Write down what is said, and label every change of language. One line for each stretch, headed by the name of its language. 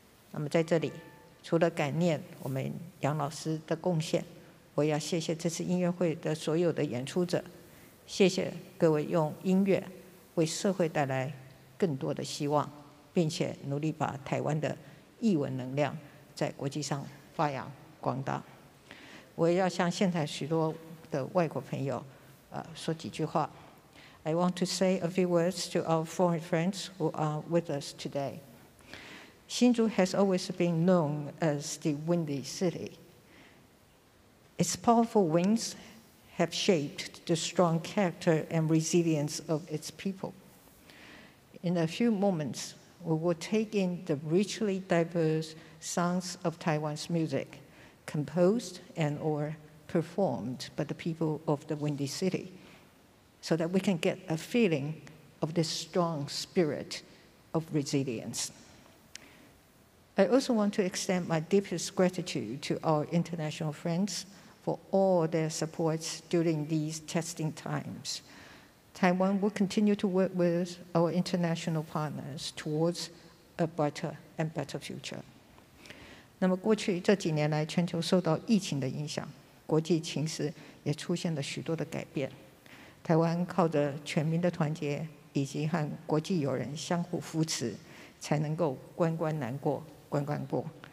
Chinese: 那么在这里除了感念我们杨老师的贡献，我也要谢谢这次音乐会的所有的演出者，谢谢各位用音乐为社会带来更多的希望，并且努力把台湾的艺文能量在国际上发扬光大。我也要向现场许多的外国朋友说几句话。
English: I want to say a few words to our foreign friends who are with us today. 新竹 has always been known as the windy city. Its powerful winds have shaped the strong character and resilience of its people. In a few moments, we will take in the richly diverse sounds of Taiwan's music, composed and or performed by the people of the Windy City, so that we can get a feeling of this strong spirit of resilience. I also want to extend my deepest gratitude to our international friends for all their support during these testing times. Taiwan will continue to work with our international partners towards a brighter and better future.
Chinese: 那么过去这几年来，全球受到疫情的影响，国际情势也出现了许多的改变。台湾靠着全民的团结以及和国际友人相互扶持，才能够关关难过关关过。